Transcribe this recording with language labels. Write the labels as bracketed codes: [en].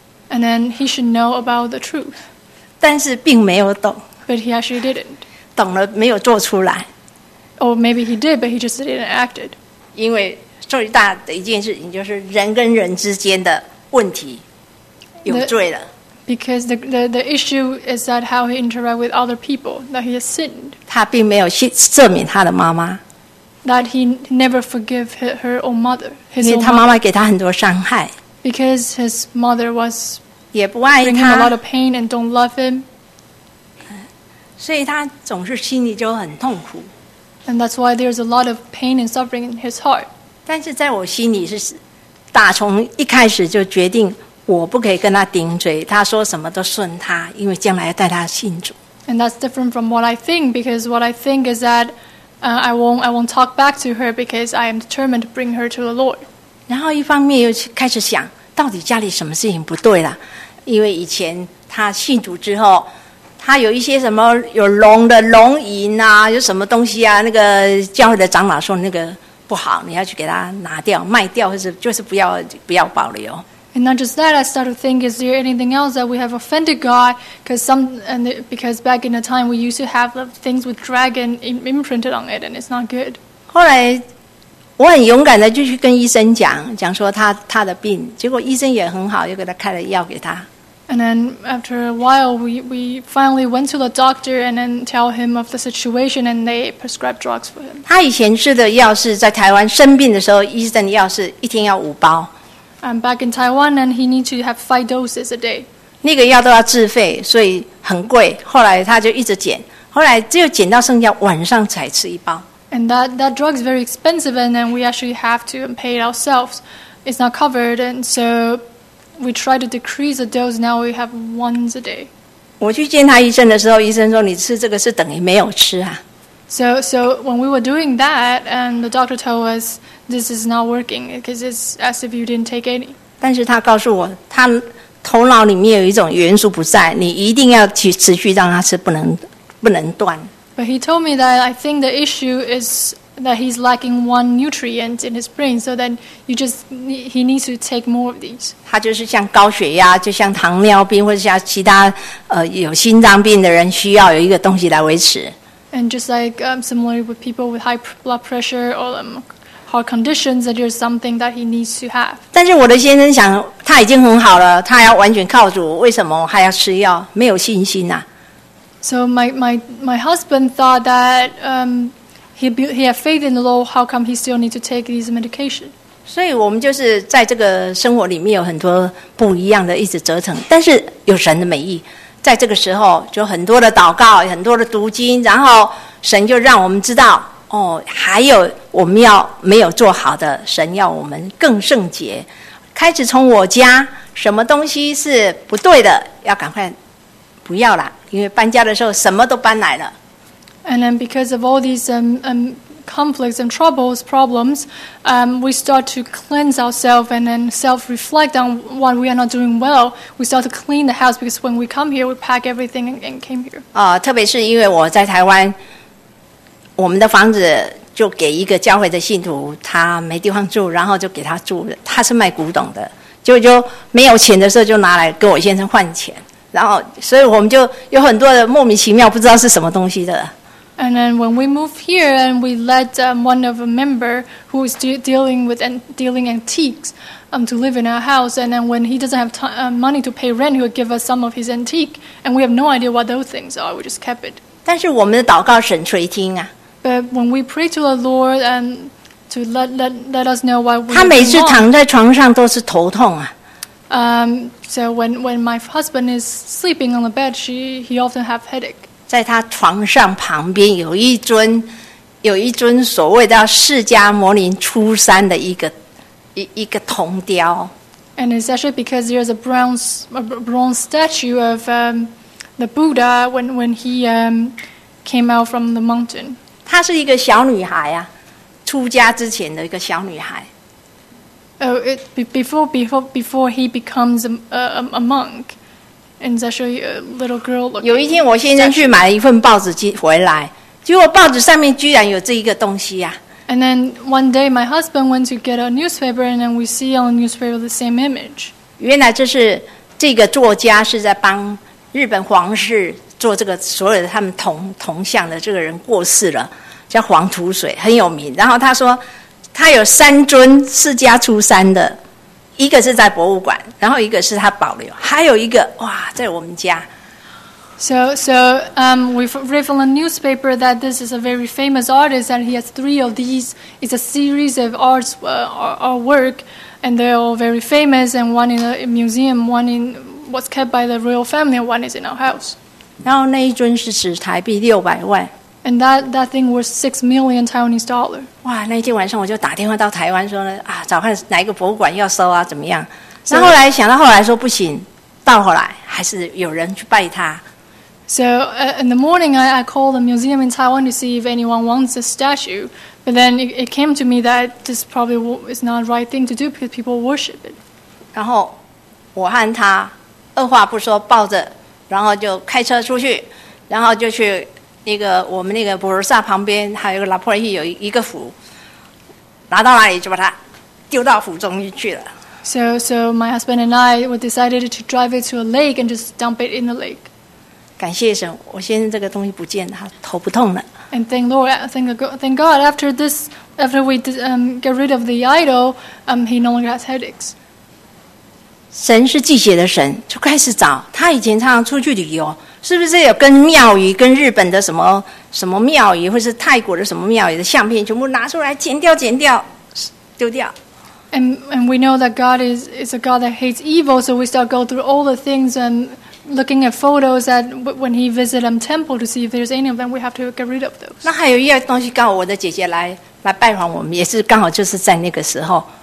[en] And then he should know about the truth. [zh] 但是并没有懂。 [en] But he actually didn't. [zh] 懂了没有做出来。 [en] Or maybe he did, but he just didn't act it. [zh] 因为最大的一件事情就是人跟人之间的问题有罪了。 [en] Because the issue is that how he interacts with other people, that he has sinned. [zh] 他并没有赦免他的妈妈。 [en] That he never forgave her own mother. [zh] 因为他妈妈给他很多伤害。 [en] Because his mother was bringing him a lot of pain and don't love him. [zh] 所以他总是心里就很痛苦。 [en] And that's why there's a lot of pain and suffering in his heart. [zh] 但是在我心里是打从一开始就决定我不可以跟他顶嘴，他说什么都顺他，因为将来要带他信主。 [en] And that's different from what I think, because what I think is that I won't talk back to her because I am determined to bring her to the Lord. [zh] 然后一方面又开始想，到底家里什么事情不对了？因为以前他信主之后，他有一些什么有龙的龙吟啊，有什么东西啊？那个教会的长老说那个不好，你要去给他拿掉、卖掉，或者就是不要保留。 [en] And not just that, I started to think, is there anything else that we have offended God? Because back in the time, we used to have the things with dragon imprinted on it, and it's not good. [zh] 后来我很勇敢的就去跟医生讲说他的病，结果医生也很好，又给他开了药给他。 [en] And then after a while, we finally went to the doctor and then tell him of the situation, and they prescribed drugs for him. [zh] 他以前吃的药是在台湾生病的时候，医生的药是一天要五包。 [en] I'm back in Taiwan, and he needs to have 5 doses a day. [zh] 那个药都要自费，所以很贵。后来他就一直减，后来只有减到剩下晚上才吃一包。 [en] And that drug is very expensive, and then we actually have to pay it ourselves. It's not covered, and so we try to decrease the dose. Now we have once a day. [zh] 我去见他医生的时候，医生说你吃这个是等于没有吃啊。 [en] So when we were doing that, and the doctor told us this is not working because it's as if you didn't take any. [zh] 但是他告诉我，他头脑里面有一种元素不在，你一定要去持续让他吃，不能断。 [en] But he told me that I think the issue is that he's lacking one nutrient in his brain, so then you just he needs to take more of these. [zh] 他就是像高血压，就像糖尿病，或者像其他有心脏病的人，需要有一个东西来维持。 [en] And just like similarly with people with high blood pressure or heart conditions, that there's something that he needs to have. [zh] 但是我的先生想，他已经很好了，他要完全靠主，为什么还要吃药？没有信心啊。 [en] So my husband thought that he had faith in the Lord. How come he still need to take these medication? [zh] 所以我们就是在这个生活里面有很多不一样的，一直折腾，但是有神的美意。在这个时候就很多的祷告，很多的读经，然后神就让我们知道，哦，还有我们要没有做好的，神要我们更圣洁，开始从我家什么东西是不对的要赶快不要了，因为搬家的时候什么都搬来了。 [en] And then because of all these conflicts and troubles, problems, we start to cleanse ourselves and then self-reflect on what we are not doing well. We start to clean the house because when we come here, we pack everything and came here. [zh] 特别是因为我在台湾，我们的房子就给一个教会的信徒，他没地方住，然后就给他住了。他是卖古董的，就没有钱的时候就拿来跟我先生换钱，然后所以我们就有很多的莫名其妙不知道是什么东西的。 [en] And then when we moved here, and we let one of a member who is dealing antiques to live in our house, and then when he doesn't have money to pay rent, he would give us some of his antique, and we have no idea what those things are. We just kept it. [zh] 但是我们的祷告神垂听啊。 [en] But when we pray to the Lord and to let us know what we want, [zh] 他每次躺在床上都是头痛啊。 [en] So when my husband is sleeping on the bed, he often have headache. [zh] 在他床上旁边有一尊所谓的释迦牟尼出山的一个铜雕。 [en] And it's actually because there's a bronze statue of the Buddha when he came out from the mountain. [zh] 她是一个小女孩啊，出家之前的一个小女孩。 [en] Oh, it before he becomes a monk. And it's actually a little girl looking. [zh] 有一天我先生去买了一份报纸回来，结果报纸上面居然有这一个东西啊。 [en] And then one day my husband went to get a newspaper and then we see on the newspaper the same image. [zh] 原来这个作家是在帮日本皇室做这个所有的他们铜像的，这个人过世了，叫黄土水，很有名。然后他说他有三尊释迦出山的，一个是在博物馆，然后一个是他保留，还有一个哇在我们家。 [en] So, we've read from the newspaper that this is a very famous artist, and he has three of these. It's a series of arts or work, and they're all very famous. And one in a museum, one in what's kept by the royal family, and one is in our house. [zh] 然后那一尊是十台币六百万。 [en] And that thing was $6 million. [zh] 哇，那一天晚上我就打电话到台湾说呢，啊，找看哪一个博物馆要收啊，怎么样？那后来想到后来说不行，到后来还是有人去拜他。 [en] So, in the morning, I called the museum in Taiwan to see if anyone wants the statue. But then it came to me that this probably is not the right thing to do because people worship it. [zh] 然后我和他二话不说抱着，然后就开车出去，然后就去那个我们那个博尔萨旁边，还有一个拉普尔希有一个壶，拿到那里就把它丢到湖中去了。 [en] So my husband and I we decided to drive it to a lake and just dump it in the lake. [zh] 感谢神，我先这个东西不见了，头不痛了。 [en] And thank Lord, thank God. After this, after we did, get rid of the idol, he no longer has headaches. [zh] 神是祭血的神，就开始找他以前常常出去旅游，是不是有跟庙宇、跟日本的什么什么庙宇，或是泰国的什么庙宇的相片，全部拿出来剪掉，丢掉。 [en] And we know that God is a God that hates evil, so we start go through all the things and. Looking at photos that when he visited temple to see if there's any of them, we have to get rid of those. [zh] 那还有一样东西，刚好我的姐姐来拜访我们，也是刚好就是在那个时候。